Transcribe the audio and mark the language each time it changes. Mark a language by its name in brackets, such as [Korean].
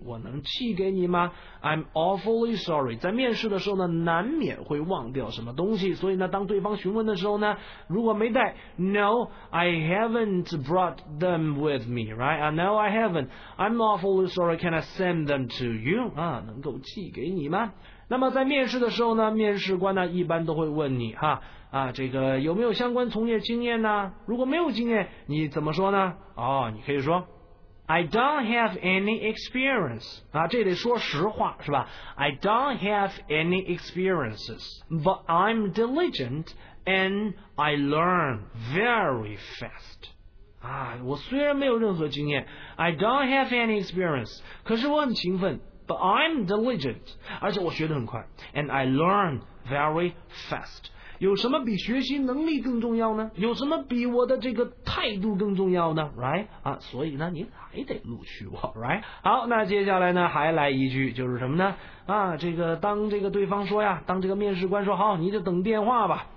[Chinese] 我能寄给你吗 ？ [English] I'm awfully sorry. [Chinese] 在面试的时候呢，难免会忘掉什么东西，所以呢，当对方询问的时候呢，如果没带 ， [English] No, I haven't brought them with me, right? No, I haven't. I'm awfully sorry. Can I send them to you? [Chinese] 啊，能够寄给你吗？那么在面试的时候呢，面试官呢一般都会问你哈啊，这个有没有相关从业经验呢？如果没有经验，你怎么说呢？哦，你可以说 [English] I don't have any experience [Chinese] 啊，这得说实话是吧 [English] ？I don't have any experiences, but I'm diligent and I learn very fast. [Chinese] 啊，我虽然没有任何经验 ， [English] I don't have any experience， [Chinese] 可是我很勤奋。 [English] But I'm diligent, [Chinese] 而且我学得很快 [English] and I learn very fast. [Chinese] 有什么比学习能力更重要呢？有什么比我的这个态度更重要呢？ Right? 啊，所以呢，你还得录取我， right? 好，那接下来呢，还来一句，就是什么呢？啊，这个当这个对方说呀，当这个面试官说好，你就等电话吧。